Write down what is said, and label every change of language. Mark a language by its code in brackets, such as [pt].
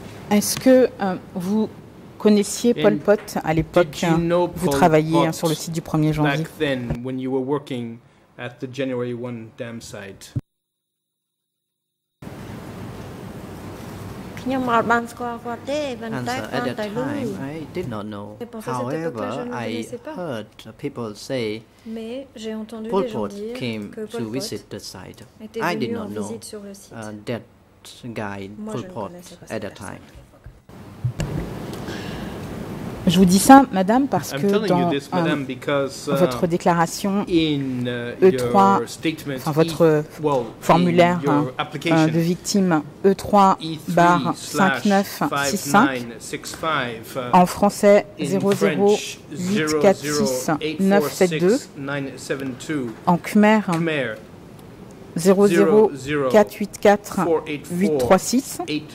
[fr] Est-ce que vous connaissiez Pol Pot à l'époque [en] you know [fr] vous travailliez sur le site du 1er janvier? [en] Back then, when you were working at the January 1 dam site. At that time, I did not know. However, I heard people say Pol Pot came to visit the site. I did not know that guy Pol Pot at that time. [fr] Je vous dis ça, madame, parce que dans votre déclaration E3, enfin votre formulaire de victime E3/59665, en français 00846972, en khmer 00484836.